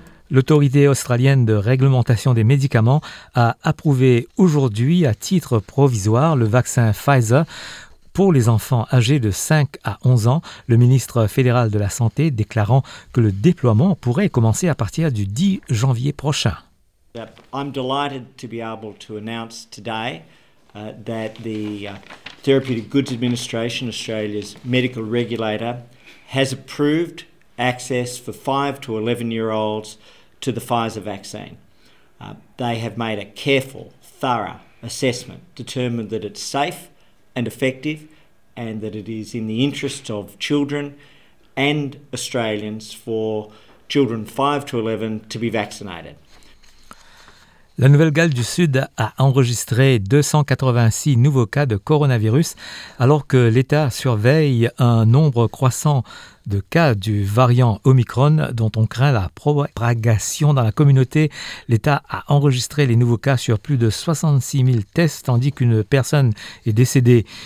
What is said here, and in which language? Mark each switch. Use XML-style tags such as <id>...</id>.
<fr>L'autorité australienne de réglementation des médicaments a approuvé aujourd'hui à titre provisoire le vaccin Pfizer pour les enfants âgés de 5 à 11 ans, le ministre fédéral de la Santé déclarant que le déploiement pourrait commencer à partir du 10 janvier prochain.</fr> <en>I'm delighted to be able to announce today that the Therapeutic Goods Administration, Australia's medical regulator, has approved access for 5 to 11 year olds to the Pfizer vaccine. They have made a careful, thorough assessment, determined that it's safe and effective, and that it is in the interest of children and Australians for children 5 to 11 to be vaccinated.</en> <fr>La Nouvelle-Galles du Sud a enregistré 286 nouveaux cas de coronavirus, alors que l'État surveille un nombre croissant de cas du variant Omicron, dont on craint la propagation dans la communauté. L'État a enregistré les nouveaux cas sur plus de 66 000 tests, tandis qu'une personne est décédée.</fr>